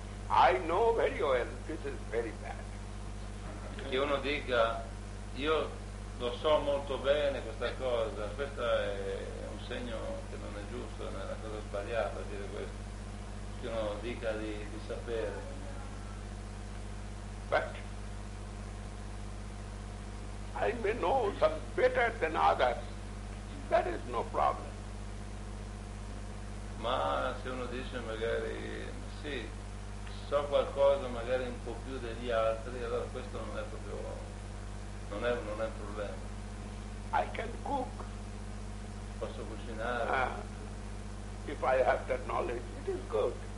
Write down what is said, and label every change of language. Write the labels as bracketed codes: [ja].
[en] I know very well this is very bad. [it] Che uno dica, io lo so molto bene questa cosa, questo è un segno che non è giusto, non è una cosa sbagliata dire questo. Che uno dica di sapere. [en] But I may know some better than others. That is no problem. [it] Ma se uno dice magari sì, so qualcosa magari un po' più degli altri, allora questo non è proprio, non è un problema. [en] I can cook. [it] Posso cucinare. [en] If I have that knowledge, it is good.